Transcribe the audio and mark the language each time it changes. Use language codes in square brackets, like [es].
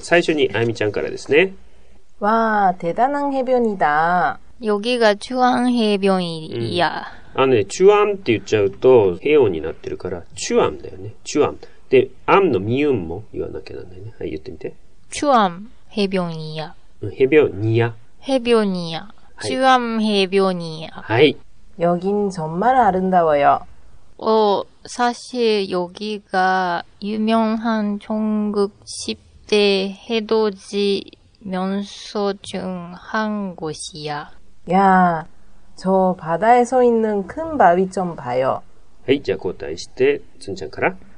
[ja] 最初に、あゆみちゃんからですね。 [ko] わー、대단한해변이다。 여기가추암해변이야。 [ja] あのね、추암って言っちゃうと、平音になってるから、추암だよね。 [ko] 추암。 [ja] で、암の미음も言わなきゃならないね。はい、言ってみて。 [ko] 추암。해변이야。 해변이야。 해변이야주암해변이야 하이 여긴정말아름다워요 어사실여기가유명한중국10대해돋이명소중한곳이야 야저바다에서있는큰바위좀봐요 [ja] はい、じゃあ交代して、つんちゃんから。